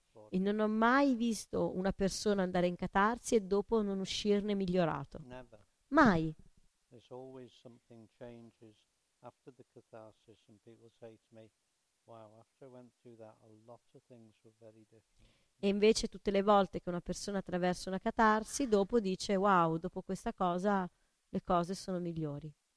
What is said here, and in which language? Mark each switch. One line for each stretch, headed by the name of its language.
Italian: E non ho mai visto una persona andare in catarsi e dopo non uscirne migliorato.
English: Never.
Italian: Mai.
English: There's always something changes after the catharsis, and people say to me, wow, after I went through that, a lot of things were very different.
Italian: E invece tutte le volte che una persona attraversa una catarsi, dopo dice, wow, dopo questa cosa le cose sono migliori.